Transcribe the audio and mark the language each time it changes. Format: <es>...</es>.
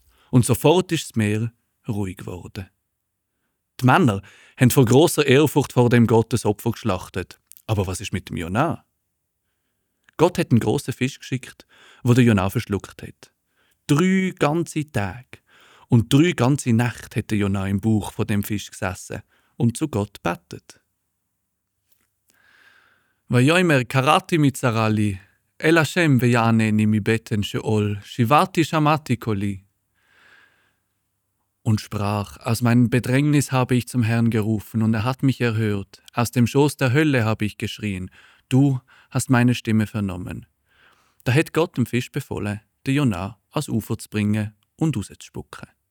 <de>Und sofort ist das Meer ruhig geworden. Die Männer haben vor grosser Ehrfurcht vor dem Gott das Opfer geschlachtet. Aber was ist mit dem Jonah? Gott hat einen grossen Fisch geschickt, wo der Jonah verschluckt hat. 3 ganze Tage und 3 ganze Nächte hat der Jonah im Bauch von dem Fisch gesessen und zu Gott gebetet.</de> <he>ויאמר קראתי מצרה לי, אל השם ויענני מבטן שאול, שיבעתי שמעתי קולי.</he> <de>Und sprach, aus meinem Bedrängnis habe ich zum Herrn gerufen, und hat mich erhört. Aus dem Schoß der Hölle habe ich geschrien, du hast meine Stimme vernommen. Da hat Gott dem Fisch befohlen, den Jonah ans Ufer zu bringen und rauszuspucken.</de>